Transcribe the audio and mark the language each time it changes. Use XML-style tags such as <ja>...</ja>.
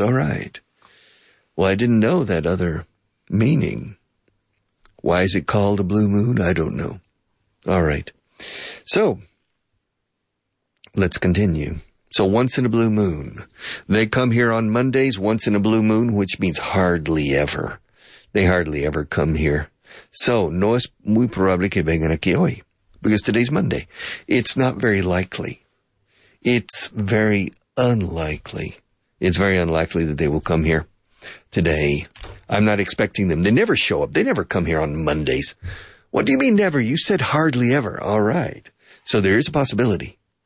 <en>All right. Well, I didn't know that other meaning. Why is it called a blue moon? I don't know. All right. So, let's continue. So, once in a blue moon. They come here on Mondays once in a blue moon, which means hardly ever. They hardly ever come here.</en> <es>So, no es muy probable que vengan aquí hoy.</es> <en>Because today's Monday. It's not very likely. It's very unlikely. It's very unlikely that they will come here. today. I'm not expecting them. They never show up. They never come here on Mondays. What do you mean never? You said hardly ever. All right. So there is a possibility.</en>